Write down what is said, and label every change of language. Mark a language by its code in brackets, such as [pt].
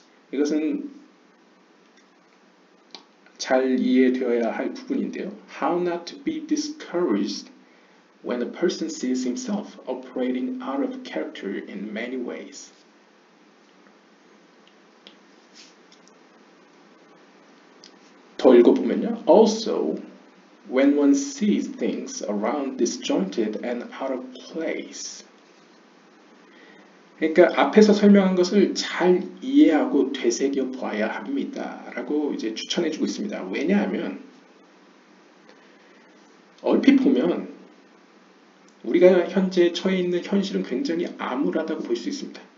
[ko] 이것은 잘 이해되어야 할 부분인데요. [en] How not to be discouraged when a person sees himself operating out of character in many ways. [ko] 더 읽어보면요. [en] Also, when one sees things around disjointed and out of place. [ko] 그러니까 앞에서 설명한 것을 잘 이해하고 되새겨 봐야 합니다. 라고 이제 추천해 주고 있습니다. 왜냐하면 얼핏 보면 우리가 현재 처해 있는 현실은 굉장히 암울하다고 볼 수 있습니다.